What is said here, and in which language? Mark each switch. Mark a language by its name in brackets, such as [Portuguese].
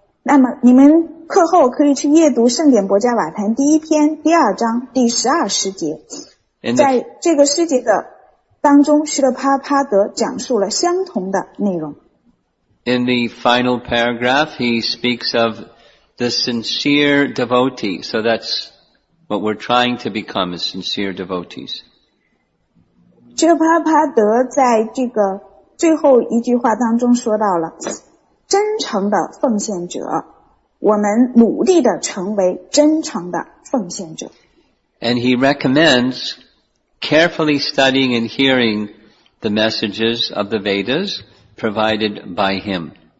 [Chinese] 那么你们课后可以去阅读《圣典薄伽瓦坛》第一篇第二章第十二师节。在这个师节的当中，释勒帕帕德讲述了相同的内容。 [English] In the final paragraph, he speaks of the sincere devotee. So that's what we're trying to become, is sincere devotees. [Chinese] 释勒帕帕德在这个最后一句话当中说到了真诚的奉献者，我们努力的成为真诚的奉献者。 And he recommends carefully studying and hearing the messages of the Vedas provided by him.